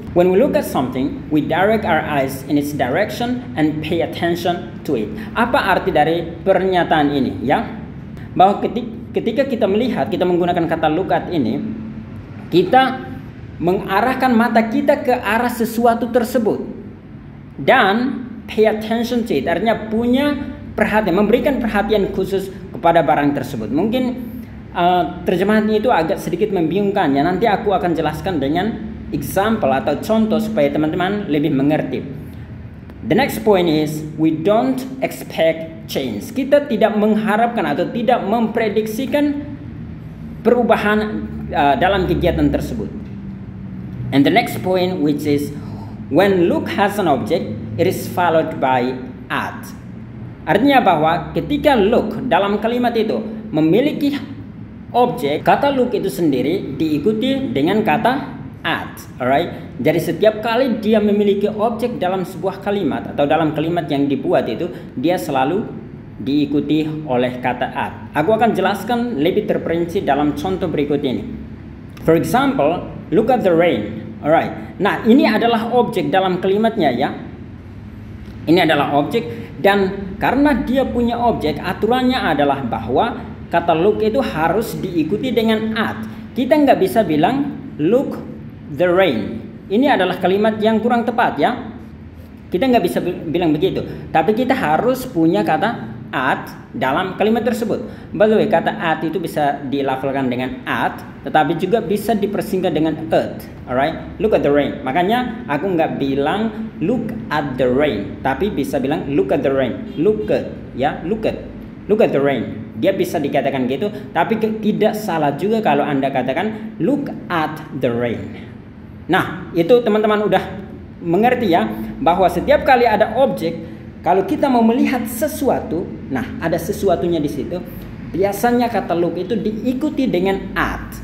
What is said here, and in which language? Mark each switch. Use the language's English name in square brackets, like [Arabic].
[English] When we look at something, we direct our eyes in its direction and pay attention to it. [Indonesian] Apa arti dari pernyataan ini, ya? Bahwa ketika kita melihat, kita menggunakan kata look at ini, kita mengarahkan mata kita ke arah sesuatu tersebut dan [English] pay attention to it, [Indonesian] artinya punya perhatian, memberikan perhatian khusus kepada barang tersebut. Mungkin terjemahannya itu agak sedikit membingungkan, ya. Nanti aku akan jelaskan dengan example atau contoh supaya teman-teman lebih mengerti. [English] The next point is, we don't expect change. [Indonesian] Kita tidak mengharapkan atau tidak memprediksikan perubahan dalam kegiatan tersebut. [English] And the next point, which is, when look has an object, it is followed by at. [Indonesian] Artinya bahwa ketika look dalam kalimat itu memiliki objek, kata look itu sendiri diikuti dengan kata at. Alright. Jadi setiap kali dia memiliki objek dalam sebuah kalimat atau dalam kalimat yang dibuat itu, dia selalu diikuti oleh kata at. Aku akan jelaskan lebih terperinci dalam contoh berikut ini. [English] For example, look at the rain. Alright. [Indonesian] Nah, ini adalah objek dalam kalimatnya, ya. Ini adalah objek, dan karena dia punya objek, aturannya adalah bahwa kata look itu harus diikuti dengan at. Kita nggak bisa bilang [English] look the rain. [Indonesian] Ini adalah kalimat yang kurang tepat, ya. Kita nggak bisa bilang begitu. Tapi kita harus punya kata at dalam kalimat tersebut. [English] By the way, [Indonesian] kata at itu bisa dilafalkan dengan at, tetapi juga bisa dipersingkat dengan at. [English] Alright, look at the rain. [Indonesian] Makanya aku nggak bilang [English] look at the rain, [Indonesian] tapi bisa bilang look at the rain, look at, ya, look at the rain. Dia bisa dikatakan gitu, tapi tidak salah juga kalau Anda katakan [English] look at the rain. [Indonesian] Nah, itu teman-teman udah mengerti, ya, bahwa setiap kali ada objek, kalau kita mau melihat sesuatu, nah, ada sesuatunya di situ, biasanya kata look itu diikuti dengan at.